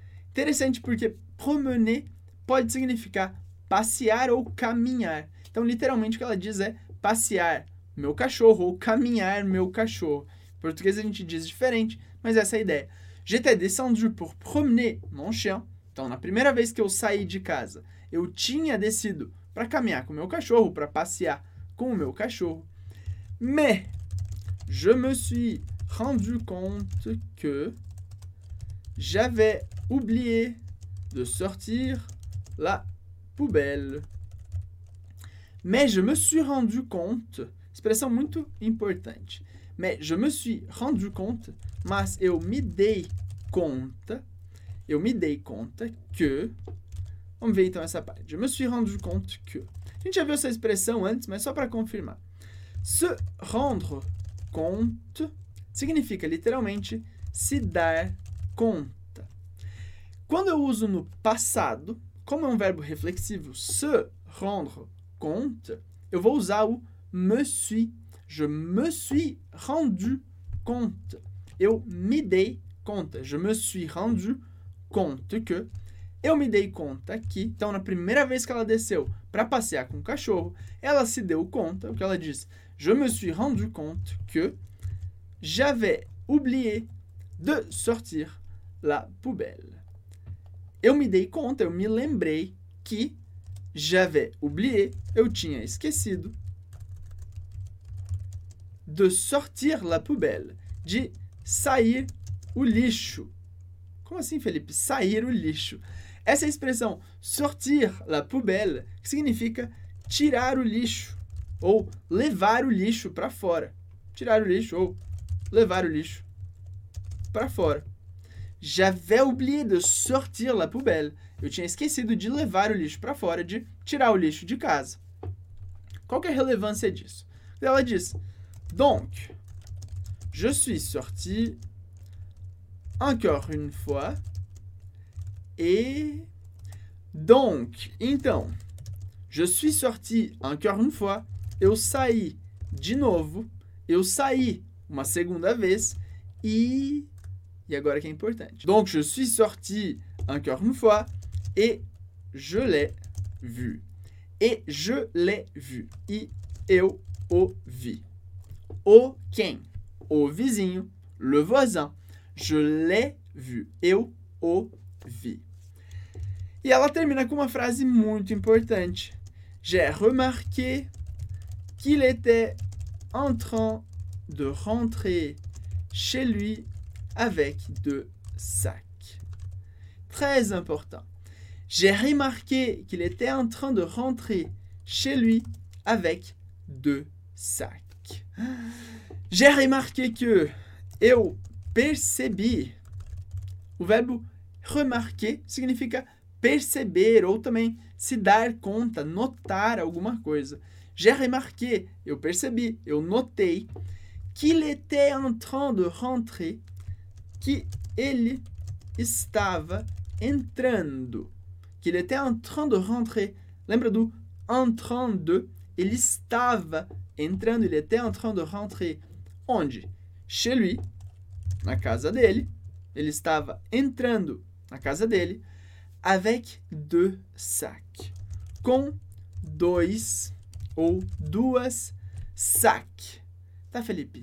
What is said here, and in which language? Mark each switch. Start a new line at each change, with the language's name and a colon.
Portuguese: Interessante porque promener pode significar passear ou caminhar. Então, literalmente, o que ela diz é passear. Meu cachorro, ou caminhar meu cachorro. Em português a gente diz diferente, mas essa é a ideia.
French: J'étais descendu pour promener mon chien.
Portuguese: Então, na primeira vez que eu saí de casa, eu tinha descido para caminhar com meu cachorro, para passear com o meu cachorro.
French: Mais, je me suis rendu compte que j'avais oublié de sortir la poubelle. Mais je me suis rendu compte,
Portuguese: expressão muito importante.
French: Mais je me suis rendu compte,
Portuguese: mas eu me dei conta. Eu me dei conta que... Vamos ver então essa parte.
French: Je me suis rendu compte que...
Portuguese: A gente já viu essa expressão antes, mas só para confirmar. Se rendre compte significa literalmente se dar conta. Quando eu uso no passado, como é um verbo reflexivo, se rendre compte, eu vou usar o me suis.
French: Je me suis rendu compte.
Portuguese: Eu me dei conta.
French: Je me suis rendu compte que...
Portuguese: Eu me dei conta que, então, na primeira vez que ela desceu para passear com o cachorro, ela se deu conta, o que ela disse?
French: Je me suis rendu compte que j'avais oublié de sortir la poubelle.
Portuguese: Eu me dei conta, eu me lembrei
French: que j'avais oublié,
Portuguese: eu tinha esquecido,
French: de sortir la poubelle,
Portuguese: de sair o lixo. Como assim, Felipe? Sair o lixo. Essa expressão, sortir la poubelle, significa tirar o lixo ou levar o lixo para fora. Tirar o lixo ou levar o lixo para fora.
French: J'avais oublié de sortir la poubelle.
Portuguese: Eu tinha esquecido de levar o lixo para fora, de tirar o lixo de casa. Qual que é a relevância disso? Ela diz,
French: donc, je suis sorti encore une fois. Et donc,
Portuguese: então,
French: je suis sorti encore une fois,
Portuguese: eu saí de novo, eu saí uma segunda vez, e agora que é importante.
French: Donc, je suis sorti encore une fois, et je l'ai vu. Et je l'ai vu.
Portuguese: E eu o vi. O quem? O vizinho,
French: le voisin. Je l'ai vu.
Portuguese: Eu o vi. E ela termina com uma frase muito importante.
French: J'ai remarqué qu'il était en train de rentrer chez lui avec deux sacs. Très important. J'ai remarqué qu'il était en train de rentrer chez lui avec deux sacs. J'ai remarqué que
Portuguese: eu percebi. O verbo remarquer significa perceber ou também se dar conta, notar alguma coisa.
French: J'ai remarqué,
Portuguese: eu percebi, eu notei,
French: qu'il était en train de rentrer,
Portuguese: que ele estava entrando.
French: Qu'il était en train de rentrer.
Portuguese: Lembra do en train de? Ele estava entrando,
French: ele était en train de rentrer.
Portuguese: Onde?
French: Chez lui,
Portuguese: na casa dele. Ele estava entrando na casa dele.
French: Avec deux sacs.
Portuguese: Com dois ou duas sacs. Tá, Felipe?